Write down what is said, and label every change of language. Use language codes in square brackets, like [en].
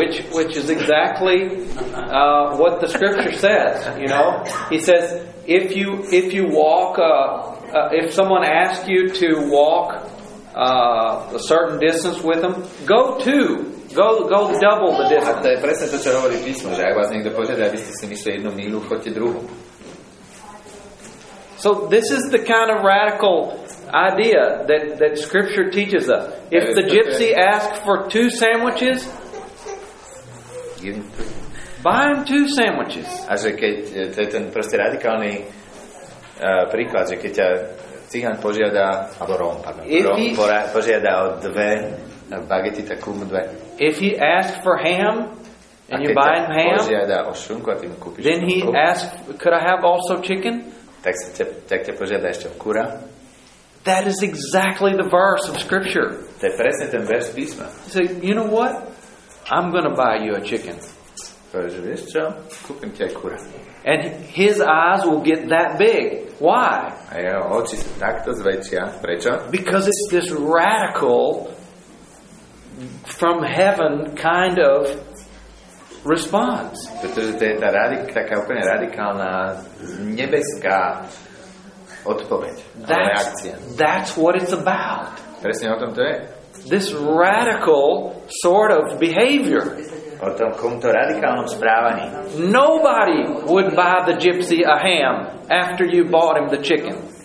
[en] Which is exactly what the scripture says, you know? He says, if someone asks you to walk a certain distance with them, go double the distance. [sk] A to je presne to, čo hovorí písmo, že ak vás niekto požiada, aby ste si myšli jednu milu, choďte druhú. [en] So this is the kind of radical idea that scripture teaches us. If the gypsy asks for two sandwiches, buy him two sandwiches. [sk] A že keď, to je ten proste radikálny príklad, že keď ťa cigán požiada, alebo Róm, požiada o dve bagety, tak kúmu dve. [en] If he asks for ham and you buy him ham, [sk] požiada o šunku, a ty mu kúpiš [en] then he [sk] šunku, [en] asks, could I have also chicken? [sk] Tak ťa požiada ešte o kura. [en] That is exactly the verse of scripture. [sk] To je presne ten vers písma. [en] So, you know what? I'm going to buy you a chicken. [sk] Povedz, vieš čo? Kúpim ti aj kura. [en] And his eyes will get that big. Why? [sk] A jeho oči sa takto zväčšia. Prečo? [en] Because it's this radical from heaven kind of response. [sk] Pretože to je taká úplne radikálna nebeská odpoveď. [en] That's, [sk] reakcia. [en] That's what it's about. [sk] Presne o tom to je. [en] This radical sort of behavior. [sk] O tom, komu to radikálnom správaní. [en] Nobody would buy the gypsy a ham after you bought him the chicken.